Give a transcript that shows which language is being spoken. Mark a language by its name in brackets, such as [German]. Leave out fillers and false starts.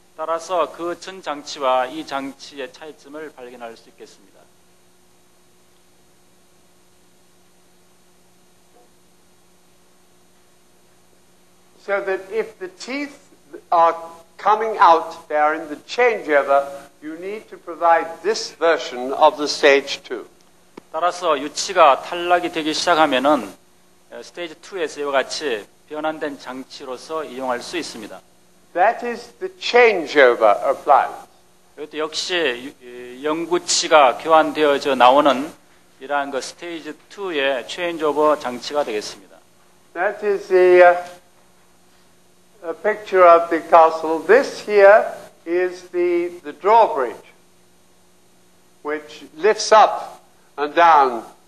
[Korean] 따라서 그 전 장치와 이 장치의 차이점을 발견할 수 있겠습니다. [English] So that if the teeth are coming out, they are in the changeover, you need to provide this version of the stage 2. [Korean] 따라서 유치가 탈락이 되기 시작하면은 스테이지 2에서 이와 같이 변환된 장치로서 이용할 수 있습니다. [English] That is the changeover appliance. [Korean] 이것도 역시 영구치가 교환되어져 나오는 이러한 그 스테이지 2의 체인지오버 장치가 되겠습니다. [English] That is the picture of the castle. This here is the drawbridge which lifts up and down.